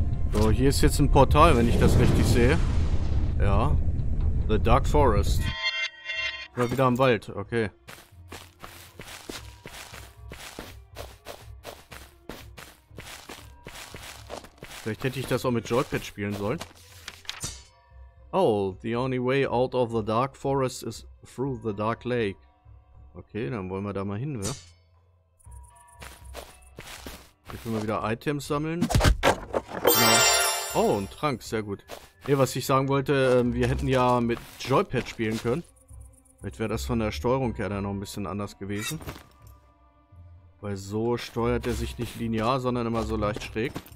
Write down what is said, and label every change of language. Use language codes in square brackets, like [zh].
[de] So, hier ist jetzt ein Portal, wenn ich das richtig sehe. Ja. The Dark Forest. Mal wieder im Wald. Okay. Vielleicht hätte ich das auch mit Joypad spielen sollen. [en] Oh, the only way out of the dark forest is through the dark lake. [de] Okay, dann wollen wir da mal hin, ne? Jetzt können wir wieder Items sammeln. Oh, ein Trank, sehr gut. Ne, was ich sagen wollte, wir hätten ja mit Joypad spielen können. Vielleicht wäre das von der Steuerung her dann noch ein bisschen anders gewesen. Weil so steuert er sich nicht linear, sondern immer so leicht schräg.